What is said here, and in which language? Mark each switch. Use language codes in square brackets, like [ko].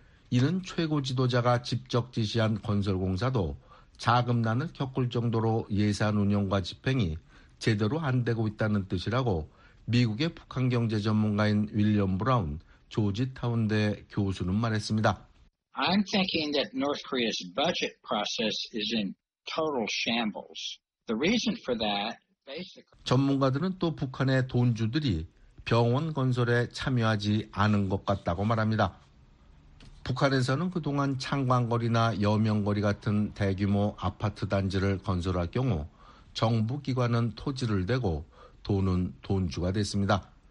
[ko] 이는 최고 지도자가 직접 지시한 건설공사도 자금난을 겪을 정도로 예산 운영과 집행이 제대로 안 되고 있다는 뜻이라고 미국의 북한 경제 전문가인 윌리엄 브라운 조지타운대 교수는 말했습니다. [en] I'm thinking that North Korea's budget process is in total shambles. The reason for that, basically. [ko] 전문가들은 또 북한의 돈주들이 병원 건설에 참여하지 않은 것 같다고 말합니다. 북한에서는 그동안 창광거리나 여명거리 같은 대규모 아파트 단지를 건설할 경우 정부 기관은 토지를 대고 돈은 돈주가 됐습니다.